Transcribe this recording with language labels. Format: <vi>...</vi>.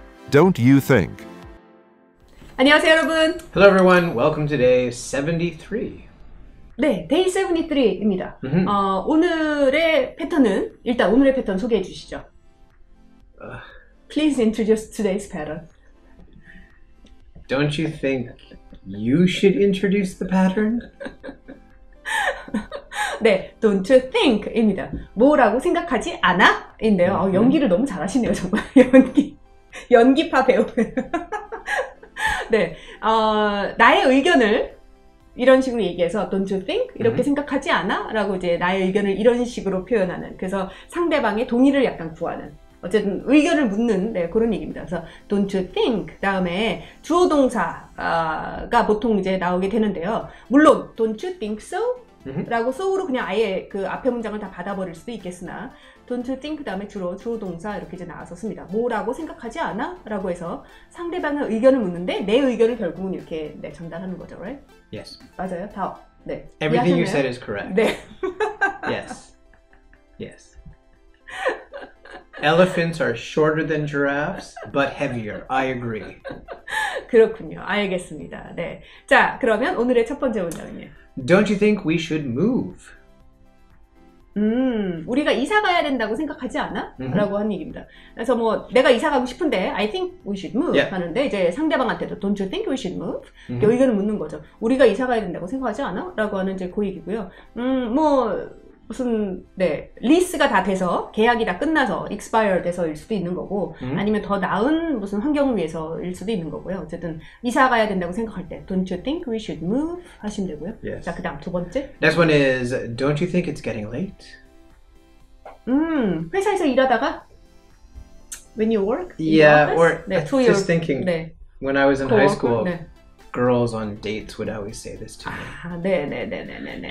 <en>Don't you think?</en> <ko>안녕하세요, 여러분.</ko> <en>Hello, everyone. Welcome to Day 73.</en> <ko>네, Day 73입니다. Mm-hmm. 오늘의 패턴은 일단 오늘의 패턴 소개해 주시죠.</ko> <en>Please introduce today's pattern. Don't you think you should introduce the pattern?</en> <ko>네,</ko> <en>don't you think</en> <ko>입니다. 뭐라고 생각하지 않아? 인데요. 연기를 너무 잘하시네요, 정말. 연기파 배우. 네, 나의 의견을 이런 식으로 얘기해서</ko> <en>don't you think?</en> <ko>이렇게 생각하지 않아? 라고 이제 나의 의견을 이런 식으로 표현하는, 그래서 상대방의 동의를 약간 구하는, 어쨌든 의견을 묻는, 네, 그런 얘기입니다. 그래서</ko> <en>don't you think?</en> <ko>다음에 주어 동사가 보통 이제 나오게 되는데요. 물론</ko> <en>don't you think so?</en> <ko>라고 so로 그냥 아예 그 앞에 문장을 다 받아버릴 수도 있겠으나</ko> <en>don't you think?</en> <ko>다음에 주어 동사 이렇게 이제 나와서 씁니다. 뭐라고 생각하지 않아? 라고 해서 상대방의 의견을 묻는데 내 의견을 결국은 이렇게 네, 전달하는 거죠, right?</ko> <en>Yes.</en> <ko>맞아요? 다, 네.</ko> <en>Everything you said is correct.</en> <ko>네.</ko> <en>Yes. Yes. Elephants are shorter than giraffes, but heavier. I agree.</en> <ko>그렇군요. 알겠습니다. 네. 자, 그러면 오늘의 첫 번째 문장은요.</ko> <en>Don't you think we should move?</en> <ko>우리가 이사 가야 된다고 생각하지 않아? Mm-hmm. 라고 하는 얘기입니다. 그래서 뭐 내가 이사 가고 싶은데</ko> <en>I think we should move yeah.</en> <ko>하는데 이제 상대방한테도</ko> <en>Don't you think we should move?</en> <ko>Mm-hmm. 의견을 묻는 거죠. 우리가 이사 가야 된다고 생각하지 않아? 라고 하는 이제 그 얘기고요. 뭐 무슨 네 리스가 다 돼서 계약이 다 끝나서 expire 돼서일 수도 있는 거고 음? 아니면 더 나은 무슨 환경을 위해서일 수도 있는 거고요. 어쨌든 이사 가야 된다고 생각할 때</ko> <en>don't you think we should move</en> <ko>하시면 되고요.</ko> <en>Yes.</en> <ko>자 그다음 두 번째.</ko> <en>Next one is don't you think it's getting late?</en> <ko>회사에서 일하다가</ko> <en>when you work? Yeah, or 네, to just your, thinking 네. when I was in high school.</en> <ko>네.</ko> <en>Girls on dates would always say this to me.</en> <ko>아, 네네네네네.</ko>